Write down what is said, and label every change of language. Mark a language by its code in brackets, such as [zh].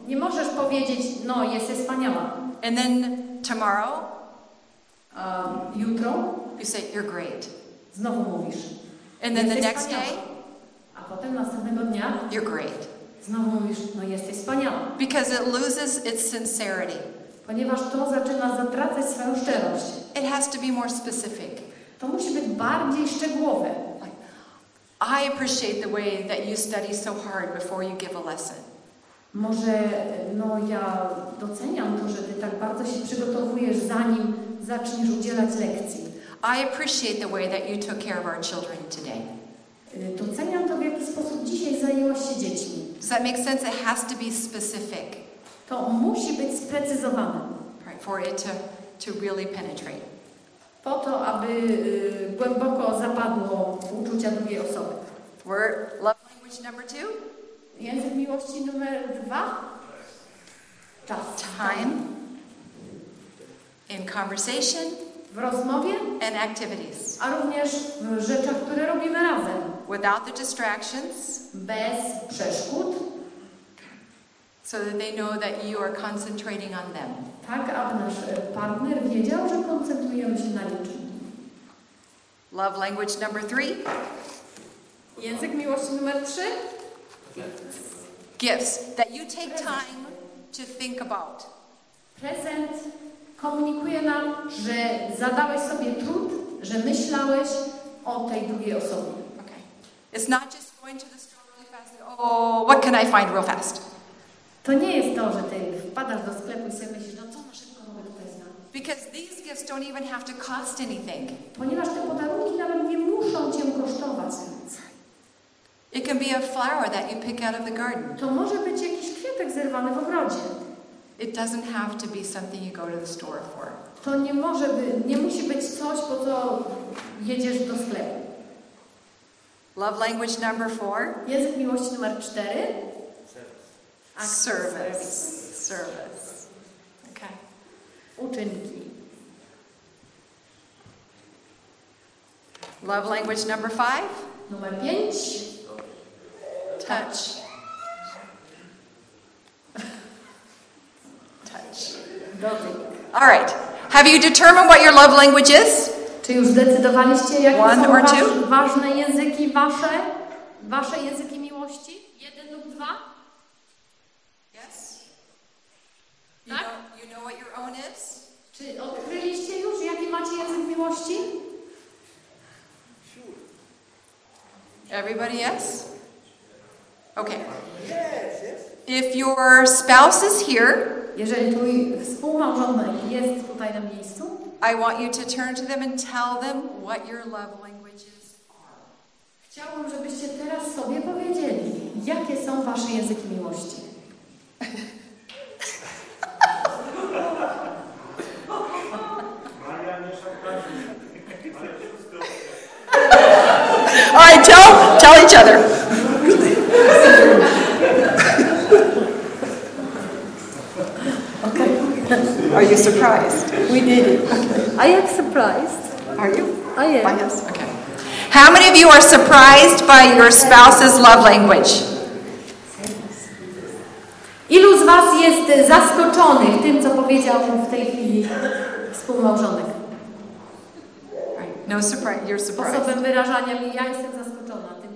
[pl] Nie możesz powiedzieć, no, jesteś wspaniała. [en] And then tomorrow, [pl] jutro, [en] you say, you're great. [pl] Znowu mówisz. [en] And then the next day, [pl] a potem następnego dnia, [en] you're great. [pl] Znowu mówisz, no, jesteś wspaniała. [en] Because it loses its sincerity. [pl] Ponieważ to zaczyna zatracać swoją szczerość. [en] It has to be more specific. [pl] To musi być bardziej szczegółowe. [en] I appreciate the way that you study so hard before you give a lesson. [pl] Może, no ja doceniam to, że ty tak bardzo się przygotowujesz, zanim zaczniesz udzielać lekcji. [en] I appreciate the way that you took care of our children today. [pl] Doceniam to, w jaki sposób dzisiaj zajęłaś się dziećmi. [en] Does that make sense? It has to be specific. [pl] To musi być sprecyzowane. [en] Right, for it to really penetrate. [pl] Po to, aby głęboko zapadło w uczucia drugiej osoby. [en] Word, love language number two. [pl] Język miłości numer dwa. Czas. [en] Time. In conversation. [pl] W rozmowie. [en] And activities. [pl] A również w rzeczach, które robimy razem. [en] Without the distractions. [pl] Bez przeszkód. [en] So that they know that you are concentrating on them. [pl] Tak, aby nasz partner wiedział, że koncentrujemy się na niczym. [en] Love language number three. [pl] Język miłości numer trzy. [en] Gifts. That you take time to think about. [pl] Prezent komunikuje nam, że zadałeś sobie trud, że myślałeś o tej drugiej osobie. [en] Okay. It's not just going to the store really fast. Oh, what can I find real fast? [pl] To nie jest to, że ty wpadasz do sklepu i sobie myślisz, no co na szybko mogę tutaj znaleźć. [en] Because these gifts don't even have to cost anything. [pl] Ponieważ te podarunki nawet nie muszą cię kosztować nic. [en] It can be a flower that you pick out of the garden. [pl] To może być jakiś kwiatek zerwany w ogrodzie. [en] It doesn't have to be something you go to the store for. [pl] To nie może być, nie musi być coś, po co jedziesz do sklepu. [en] Love language number four. [pl] Język miłości numer 4. [en] Service. Okay. [pl] Uczynki. [en] Love language number 5. [pl] Numer 5. [en] Touch. [pl] Dotyk. [en] All right. Have you determined what your love language is? [pl] Czy już zdecydowaliście, jakie one są [en] or two? [pl] Ważne języki wasze? Wasze języki miłości? Jeden lub dwa? [en] Yes. [pl] Tak? [en] You know what your own is? [pl] Czy odkryliście już, jaki macie język miłości? [en] Sure. Everybody yes? Okay. Yes. If your spouse is here, [pl] jeżeli twój współmałżonek jest tutaj na miejscu, [en] I want you to turn to them and tell them what your love languages are. [pl] Chciałbym, żebyście teraz sobie powiedzieli, jakie są wasze języki miłości. [en] All right, tell each other. Are you surprised? We did it. I am surprised. Are you? I am. Why, yes. Okay. How many of you are surprised by your spouse's love language? [pl] Ilu z was jest zaskoczonych tym, co powiedział w tej chwili współmałżonek? [en] No surprise. You're surprised. [pl] Sposobem wyrażania mi, ja jestem zaskoczona.